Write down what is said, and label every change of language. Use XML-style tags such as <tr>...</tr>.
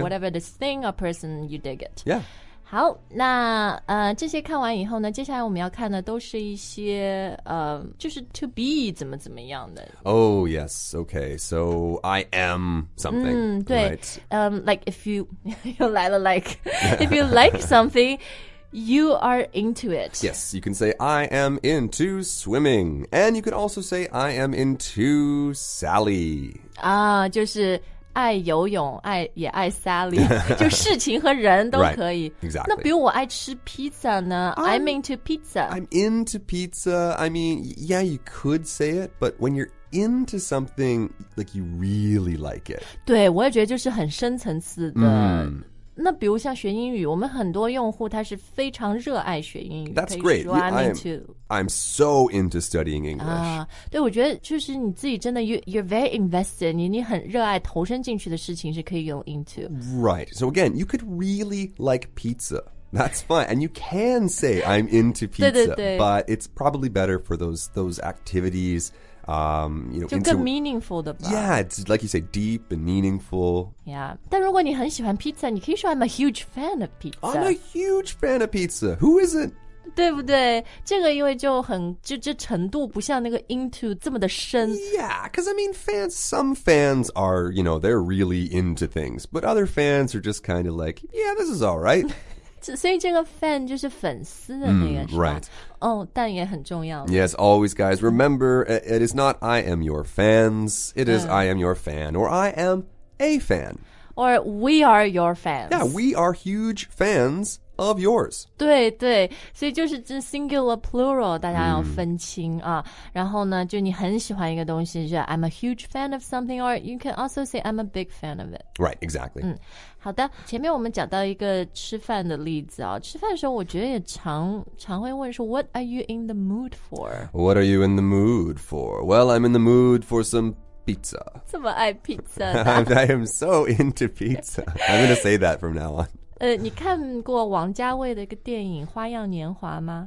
<en>Whatever this thing or person, you dig it. Yeah.</en> <zh>好，那这些看完以后呢，接下来我们要看的都是一些就是</zh> <en>to be</en> <zh>怎么怎么样的。</zh> <en>Oh yes, okay. So I am something.</en> <zh>嗯，对。</zh> <en>Right. Like if you</en> <zh>又来了</zh> <en>like if you like something, you are into it. Yes, you can say I am into swimming, and you could also say I am into Sally.</en> <zh>啊，就是。爱游泳，爱也爱 Sally， 就事情和人都可以。</zh> <en>Right, exactly.</en> <zh>那比如我爱吃 pizza 呢 ？</zh> <en>I'm into pizza. I'm into pizza. I mean, yeah, you could say it, but when you're into something, like you really like it.</en> <zh>对，我也觉得就是很深层次的。那比如像学英语，我们很多用户他是非常热爱学英语。</zh> <en>That's great. I'm so into studying English.</en> <zh>对，我觉得就是你自己真的</zh> <en>you're very invested.</en> <zh>你很热爱投身进去的事情是可以用 into.</zh> <en>Right. So again, you could really like pizza. That's fine. And you can say I'm into pizza.</en> <zh>对对对。</zh> <en>But it's probably better for those activities.</en> <zh>就更 meaningful 的吧</zh> <en>Yeah, it's like you say, deep and meaningful Yeah,</en> <zh>但如果你很喜欢</zh> <en>pizza</en> <zh>你可以说</zh> <en>I'm a huge fan of pizza I'm a huge fan of pizza, who isn't?</en> <zh>对不对这个因为就很就程度不像那个 into 这么的深</zh> <en>Yeah, because I mean fans, some fans are, you know, they're really into things But other fans are just kind of like, yeah, this is alright</en> <zh>所以这个 fan 就是粉丝的那个是吧</zh> <en>Right</en> <zh>Oh, 但也很重要。</zh> <en>Yes, always, guys. Remember, it is not I am your fans. It is I am your fan, or I am a fan. Or we are your fans. Yeah, we are huge fans of yours.</en> <zh>对对，所以就是这 singular plural 大家要分清啊。然后呢，就你很喜欢一个东西，就是</zh> <en>I'm a huge fan of something, or you can also say I'm a big fan of it. Right, exactly.</en> <zh>好的，前面我们讲到一个吃饭的例子啊，吃饭的时候我觉得也常会问说</zh> <en>What are you in the mood for? What are you in the mood for? Well, I'm in the mood for some pizza.</en> <zh>这么爱 pizza?</zh> <en>I am so into pizza. I'm going to say that from now on.</en> <zh>你看过王家卫的一个电影《花样年华》吗</zh>